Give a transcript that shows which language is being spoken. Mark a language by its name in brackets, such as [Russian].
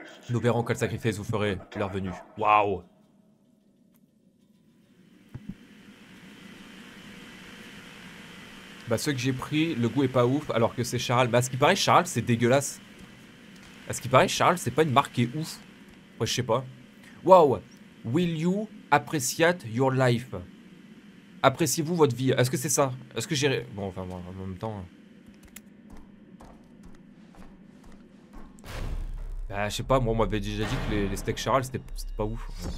[French] Nous verrons quel sacrifice vous ferez leur venue. Waouh! Bah, ceux que j'ai pris, le goût est pas ouf, alors que c'est Charles. Bah, à ce qui paraît, Charles, c'est dégueulasse. À ce qui paraît, Charles, c'est pas une marque qui est ouf. Ouais, je sais pas. Waouh! [English] Will you appreciate your life? [French] Appréciez-vous votre vie? Est-ce que c'est ça? Est-ce que j'irai. Bon, enfin, bon, en même temps. Bah, je sais pas, moi on m'avait déjà dit que les steaks Charles c'était pas ouf.